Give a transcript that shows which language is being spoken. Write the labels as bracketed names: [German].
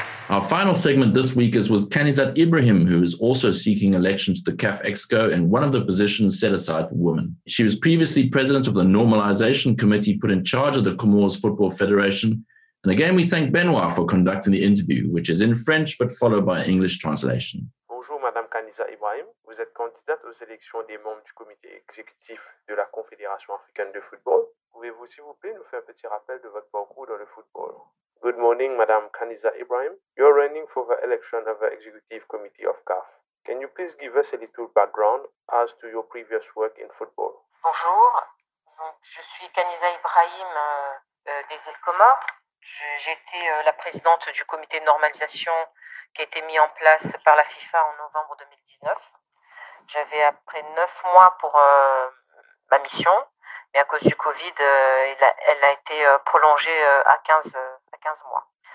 [English] Our final segment this week is with Kanizat Ibrahim, who is also seeking election to the CAF Exco and one of the positions set aside for women. She was previously president of the Normalization Committee put in charge of the Comoros Football Federation. And again, we thank Benoit for conducting the interview, which is in French, but followed by English translation. [French] Bonjour, Madame Kanizat Ibrahim. Vous êtes candidate aux élections des membres du comité exécutif de la Confédération Africaine de Football. Pouvez-vous, s'il vous plaît, nous faire un petit rappel de votre parcours dans le football? [English] Good morning, Madame Kanizat Ibrahim. You are running for the election of the Executive Committee of CAF. Can you please give us a little background as to your previous work in football? [French] Bonjour, je suis Kanizat Ibrahim des îles Comores. J'étais la présidente du comité de normalisation qui a été mis en place par la FIFA en novembre 2019. J'avais après 9 mois pour ma mission, mais à cause du Covid, elle a été prolongée à 15 mois.